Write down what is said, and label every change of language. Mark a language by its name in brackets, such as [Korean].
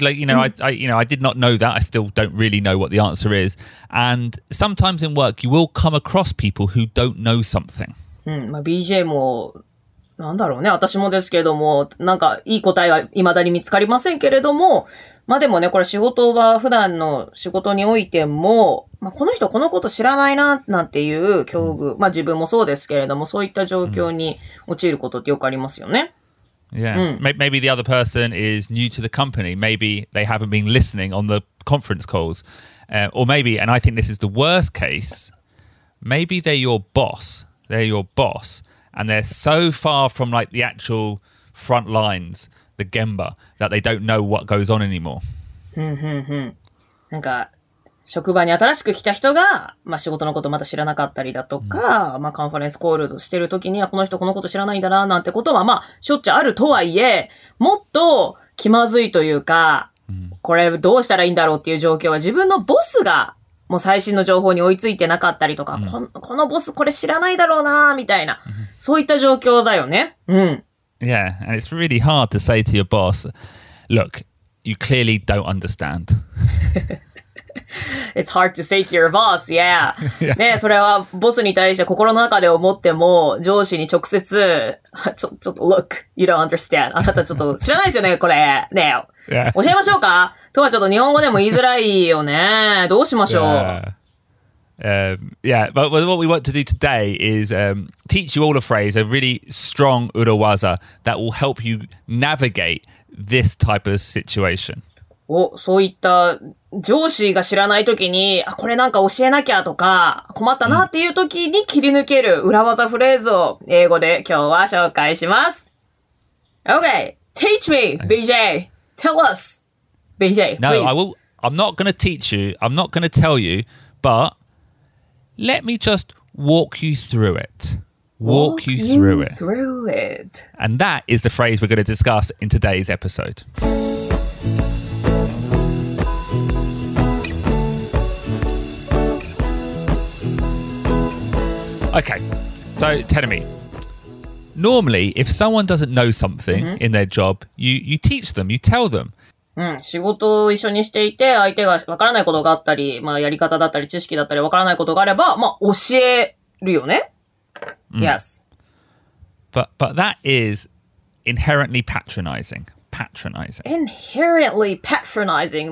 [English] Like, you know, I did not know that. I still don't really know what the answer is. And sometimes in work, you will come across people who don't know something. [Japanese] BJ も、なんだろうね。私もですけども、なんかいい答えが未だに見つかりませんけれども、まあでもね、これ仕事は普段の仕事においても、まあこの人このこと知らないな、なんていう境遇、まあ自分もそうですけれども、そういった状況に陥ることってよくありますよね。 [English] Yeah, maybe the other person is new to the company. Maybe they haven't been listening on the conference calls. Or maybe, and I think this is the worst case, maybe they're your boss. They're your boss. And they're so far from like the actual front lines, the Gemba, that they don't know what goes on anymore. [Japanese] なんか、 職場に新しく来た人が、まあ仕事のことまた知らなかったりだとか、まあカンファレンスコールをしてる時には、この人このこと知らないんだな、なんてことは、まあ、しょっちゃうあるとはいえ、もっと気まずいというか、これどうしたらいいんだろうっていう状況は、自分のボスが、もう最新の情報に追いついてなかったりとか、このボスこれ知らないだろうな、みたいな、そういった状況だよね。 [English] Yeah, and it's really hard to say to your boss, look, you clearly don't understand. It's hard to say to your boss, yeah. [Japanese] ね、それはボスに対して心の中で思っても、上司に直接、ちょっと [English] look, you don't understand. [Japanese] あなたちょっと知らないですよね、これ。ね、 [English] yeah. [Japanese] 教えましょうか? とはちょっと日本語でも言いづらいよね。どうしましょう? [English] But what we want to do today is teach you all a phrase, a really strong urawaza that will help you navigate this type of situation. [Japanese] お、そういった上司が知らないときに、あ、これなんか教えなきゃとか、困ったなっていうときに切り抜ける裏技フレーズを英語で今日は紹介します。 [English] Okay, teach me, BJ. Tell us, BJ. No,、 please. I'm not gonna teach you. I'm not gonna tell you. But let me just walk you through it. Walk you through it. And that is the phrase we're gonna discuss in today's episode. Okay, So, Tenami, normally, if someone doesn't know something、mm-hmm. in their job, you teach them, you tell them. [Japanese] うん、仕事を一緒にしていて、相手が分からないことがあったり、まあ、やり方だったり、知識だったり、分からないことがあれば、まあ、教えるよね。 [English] Mm. Yes. But that is inherently patronizing. Patronizing. Inherently patronizing.